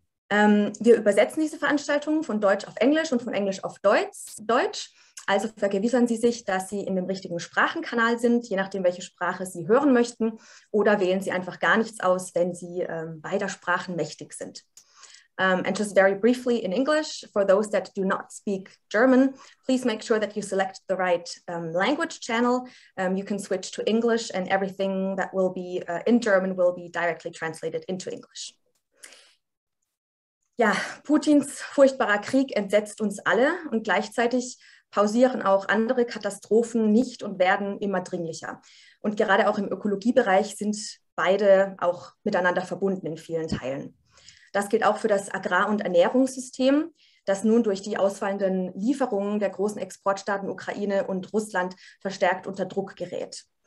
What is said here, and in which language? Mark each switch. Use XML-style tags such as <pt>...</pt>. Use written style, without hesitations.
<de>Wir übersetzen diese Veranstaltung von Deutsch auf Englisch und von Englisch auf Deutsch. Also vergewissern Sie sich, dass Sie in dem richtigen Sprachenkanal sind, je nachdem, welche Sprache Sie hören möchten. Oder wählen Sie einfach gar nichts aus, wenn Sie beider Sprachen mächtig sind.</de> <en>And just very briefly in English, for those that do not speak German, please make sure that you select the right language channel. You can switch to English and everything that will be in German will be directly translated into English.</en> <de>Ja, Putins furchtbarer Krieg entsetzt uns alle und gleichzeitig pausieren auch andere Katastrophen nicht und werden immer dringlicher. Und gerade auch im Ökologiebereich sind beide auch miteinander verbunden in vielen Teilen. Das gilt auch für das Agrar- und Ernährungssystem, das nun durch die ausfallenden Lieferungen der großen Exportstaaten Ukraine und Russland verstärkt unter Druck gerät.</de>